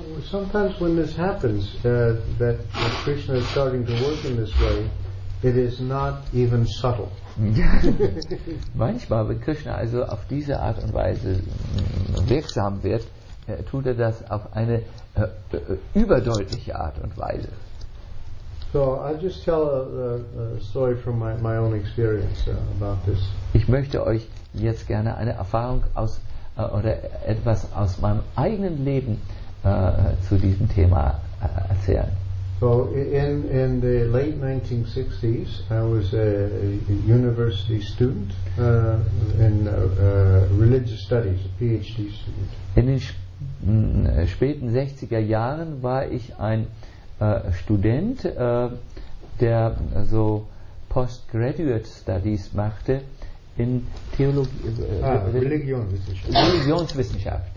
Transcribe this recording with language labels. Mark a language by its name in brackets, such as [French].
[English] Sometimes when this happens, that Krishna is starting to work in this way, it is not even subtle. [German] Manchmal, wenn Krishna also auf diese Art und Weise wirksam wird, tut er das auf eine überdeutliche Art und Weise. [English] So I'll just tell a story from my own experience about this. [German] Ich möchte euch jetzt gerne eine Erfahrung aus oder etwas aus meinem eigenen Leben zu diesem Thema erzählen. [English] So in the late 1960s I was a university student in religious studies, a PhD student. [German] In den späten 60er Jahren war ich ein Student, der so Postgraduate Studies machte in Religionswissenschaft,